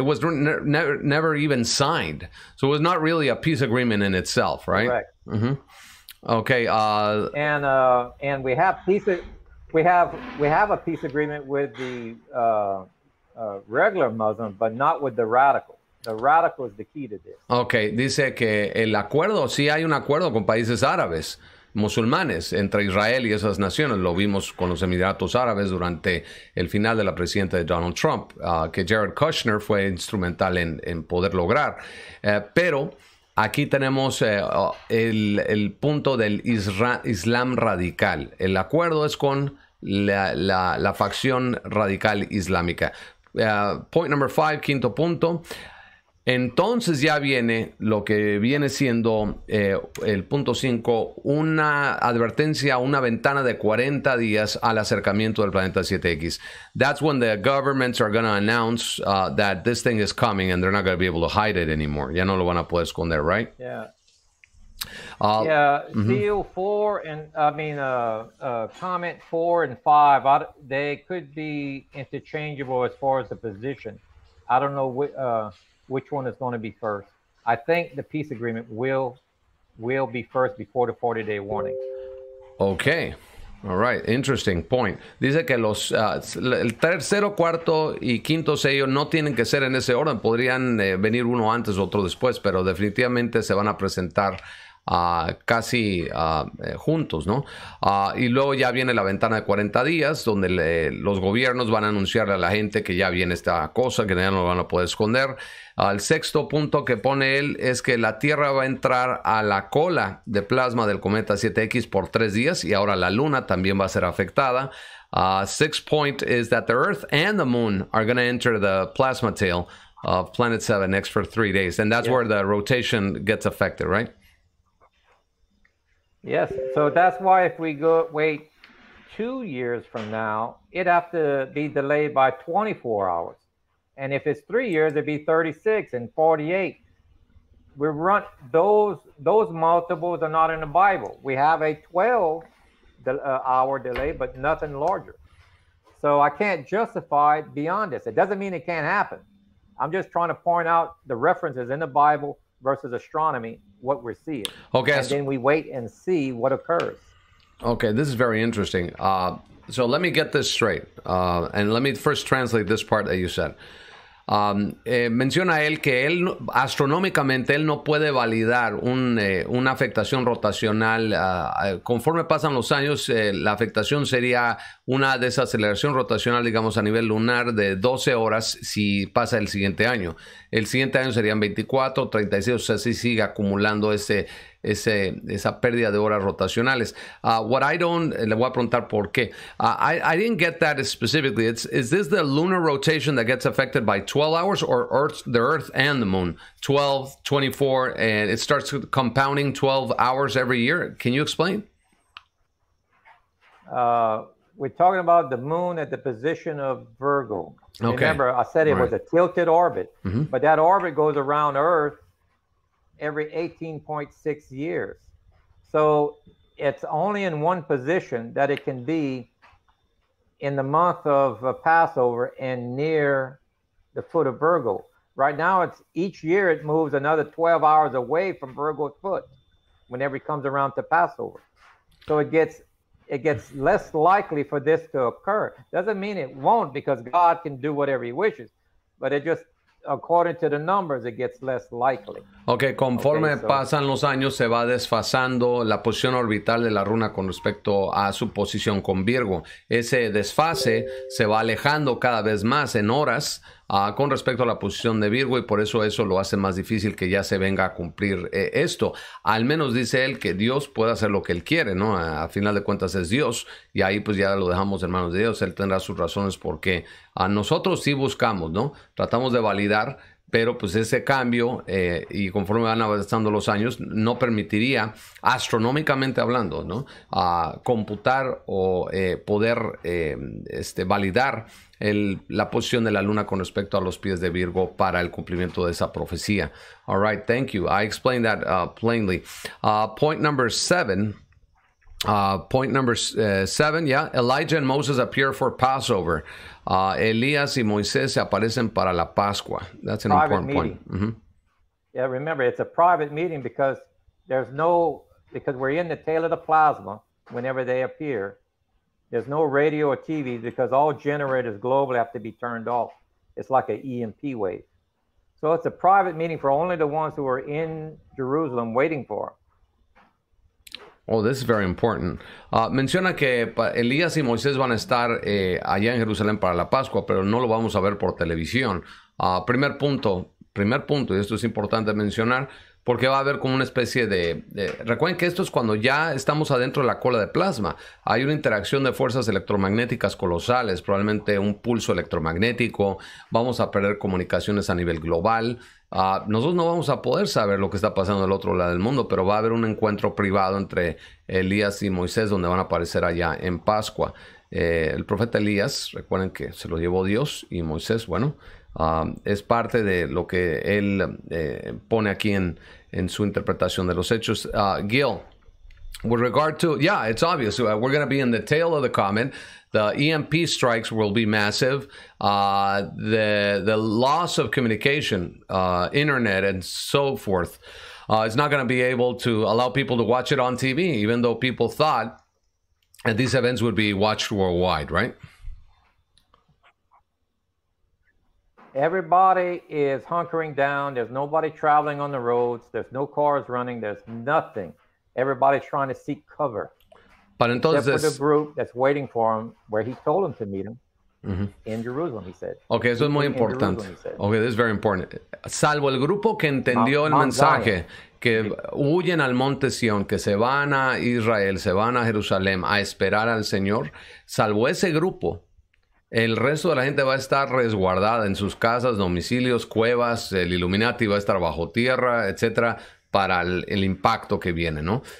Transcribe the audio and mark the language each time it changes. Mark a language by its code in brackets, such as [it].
[en] It was never even signed. So it was not really a peace agreement in itself, right? Correct. Mm-hmm. Okay. And we have peace. We have a peace agreement with the regular Muslim, but not with the radical. The radical is the key to this. Okay. [es] Dice que el acuerdo, sí hay un acuerdo con países árabes, musulmanes, entre Israel y esas naciones. Lo vimos con los Emiratos Árabes durante el final de la presidencia de Donald Trump, que Jared Kushner fue instrumental en poder lograr. Pero aquí tenemos el punto del Islam radical. El acuerdo es con la facción radical islámica. [en] Point number five, [es] quinto punto. Entonces ya viene lo que viene siendo el punto 5, una advertencia, una ventana de 40 días al acercamiento del planeta 7X. [en] That's when the governments are going to announce that this thing is coming and they're not going to be able to hide it anymore. [es] Ya no lo van a poder esconder, [en] right? Yeah. CO4 and comment 4 and 5, they could be interchangeable as far as the position. I don't know which one is going to be first. I think the peace agreement will be first before the 40-day warning. Okay. All right. Interesting point. [es] Dice que los el tercero, cuarto y quinto sello no tienen que ser en ese orden. Podrían venir uno antes, otro después, pero definitivamente se van a presentar casi juntos, ¿no? Y luego ya viene la ventana de 40 días, donde los gobiernos van a anunciarle a la gente que ya viene esta cosa, que ya no lo van a poder esconder. El sexto punto que pone él es que la Tierra va a entrar a la cola de plasma del cometa 7X por 3 días, y ahora la Luna también va a ser afectada. [en] Sixth point is that the Earth and the Moon are going to enter the plasma tail of Planet 7X for 3 days, and that's yeah. where the rotation gets affected, right? Yes, so that's why if we go wait 2 years from now, it'd have to be delayed by 24 hours. And if it's 3 years, it'd be 36 and 48. We run those multiples are not in the Bible. We have a 12-hour delay, but nothing larger. So I can't justify beyond this. It doesn't mean it can't happen. I'm just trying to point out the references in the Bible versus astronomy. What we're seeing. Okay. And then we wait and see what occurs. Okay, this is very interesting. So let me get this straight. And let me first translate this part that you said. [es] Menciona él que él, astronómicamente, él no puede validar una afectación rotacional. Conforme pasan los años, la afectación sería una desaceleración rotacional, digamos, a nivel lunar de 12 horas si pasa el siguiente año. El siguiente año serían 24, 36, o sea, si sigue acumulando esa pérdida de horas rotacionales. [en] What I don't, [es] le voy a preguntar por qué. [en] I didn't get that specifically. Is this the lunar rotation that gets affected by 12 hours or the Earth and the Moon? 12, 24, and it starts compounding 12 hours every year. Can you explain? We're talking about the Moon at the position of Virgo. Okay. Remember, I said it was a tilted orbit, but that orbit goes around Earth every 18.6 years. So it's only in one position that it can be in the month of Passover and near the foot of Virgo. Right now, it's each year it moves another 12 hours away from Virgo's foot whenever it comes around to Passover. So it gets less likely for this to occur. Doesn't mean it won't, because God can do whatever he wishes, but it just, according to the numbers, it gets less likely. [es] Okay, conforme pasan los años, se va desfasando la posición orbital de la luna con respecto a su posición con Virgo. Ese desfase se va alejando cada vez más en horas con respecto a la posición de Virgo, y por eso lo hace más difícil que ya se venga a cumplir esto. Al menos dice él que Dios puede hacer lo que él quiere, ¿no? A final de cuentas es Dios, y ahí pues ya lo dejamos en manos de Dios. Él tendrá sus razones por qué. A nosotros sí buscamos, ¿no? Tratamos de validar. Pero pues ese cambio, y conforme van avanzando los años, no permitiría, astronómicamente hablando, ¿no? Computar o poder validar la posición de la luna con respecto a los pies de Virgo para el cumplimiento de esa profecía. [en] All right, thank you. I explained that plainly. Point number seven, yeah. Elijah and Moses appear for Passover. [es] Elías y Moisés se aparecen para la Pascua. [en] That's an private important meeting. Point. Mm-hmm. Yeah, remember, it's a private meeting because we're in the tail of the plasma whenever they appear. There's no radio or TV because all generators globally have to be turned off. It's like an EMP wave. So it's a private meeting for only the ones who are in Jerusalem waiting for them. Oh, this is very important. [es] Menciona que Elías y Moisés van a estar allá en Jerusalén para la Pascua, pero no lo vamos a ver por televisión. Primer punto, y esto es importante mencionar, porque va a haber como una especie de... recuerden que esto es cuando ya estamos adentro de la cola de plasma. Hay una interacción de fuerzas electromagnéticas colosales, probablemente un pulso electromagnético. Vamos a perder comunicaciones a nivel global. Nosotros no vamos a poder saber lo que está pasando del otro lado del mundo, pero va a haber un encuentro privado entre Elías y Moisés, donde van a aparecer allá en Pascua. El profeta Elías, recuerden que se lo llevó Dios, y Moisés, bueno, es parte de lo que él pone aquí en su interpretación de los hechos. Gil, [en] With regard to, yeah, it's obvious. We're going to be in the tail of the comet. The EMP strikes will be massive. The loss of communication, internet, and so forth, is not going to be able to allow people to watch it on TV, even though people thought that these events would be watched worldwide, right? Everybody is hunkering down. There's nobody traveling on the roads. There's no cars running. There's nothing. Everybody's trying to seek cover. But [es] entonces, [en] except for the group that's waiting for him, where he told him to meet him, in Jerusalem, he said. [es] Okay, eso es muy importante. Okay, [en] this is very important. [es] Salvo el grupo que entendió el mensaje, que huyen al monte Sion, que se van a Israel, se van a Jerusalén a esperar al Señor, salvo ese grupo, el resto de la gente va a estar resguardada en sus casas, domicilios, cuevas, el Illuminati va a estar bajo tierra, etcétera, para el impacto que viene, ¿no?